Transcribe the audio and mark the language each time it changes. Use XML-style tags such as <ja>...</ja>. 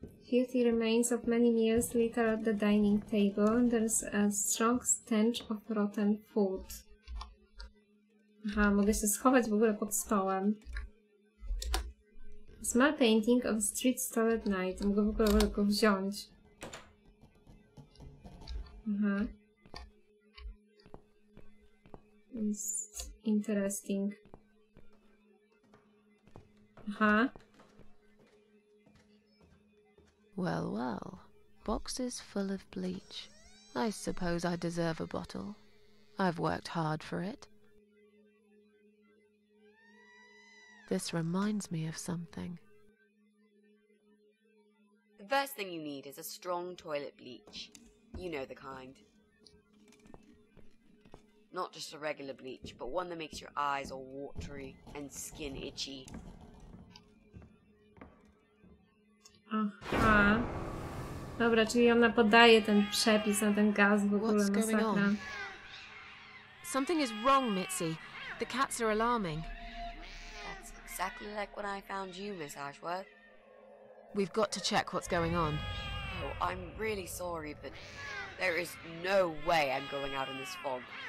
<en>Filthy remains of many meals litter at the dining table. There's a strong stench of rotten food.</en> <pl>Aha, mogę się schować w ogóle pod stołem.</pl> <en>A small painting of street stall at night.</en> <pl>Mogę w ogóle go wziąć. Aha. Jest interesting. Aha.</pl> <en>Well, well. Boxes full of bleach. I suppose I deserve a bottle. I've worked hard for it. This reminds me of something. The first thing you need is a strong toilet bleach. You know the kind. Not just a regular bleach, but one that makes your eyes all watery and skin itchy. Aha.</en> <pl>Dobra, czyli ona podaje ten przepis na ten gaz w ogóle, masakra.</pl> <en>Something is wrong, Mitzi. The cats are alarming. That's exactly like when I found you, Miss Ashworth. We've got to check what's going on. Oh, I'm really sorry, but there is no way I'm going out in this fog.</en>